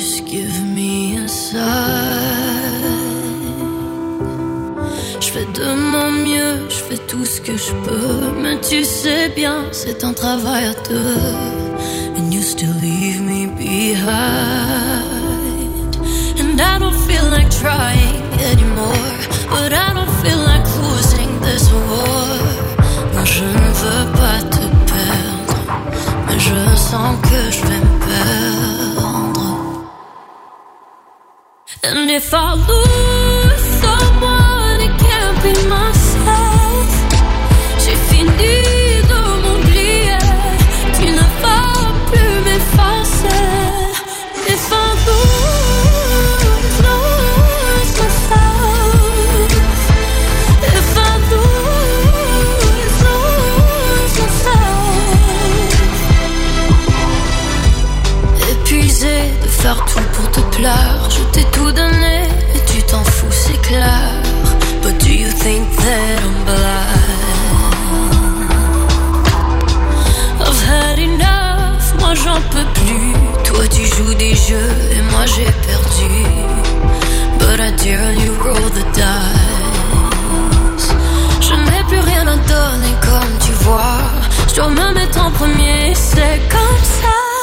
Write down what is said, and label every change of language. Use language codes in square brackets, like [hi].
[en] Give me a sign. [fr] Je fais de mon mieux, je fais tout ce que je peux. Mais tu sais bien, c'est un travail à deux. [en] And you still leave me behind. And I don't feel like trying anymore. But I don't feel like losing this war. [fr] Non, je ne veux pas te perdre. Mais je sens que je vais me perdre. [en] And if I lose someone, it can't be myself. [fr] J'ai fini de m'oublier. Tu ne vas plus m'effacer. [en] If I lose myself. If I lose myself. [fr] Épuisé de faire tout pour te plaire. T'es tout donné et tu t'en fous, c'est clair. [en] But do you think that I'm blind? I've had enough, [fr] moi j'en peux plus. Toi tu joues des jeux et moi j'ai perdu. [en] But I dare you roll the dice. [fr] Je n'ai plus rien à donner comme tu vois. Je dois me mettre en premier, c'est comme ça.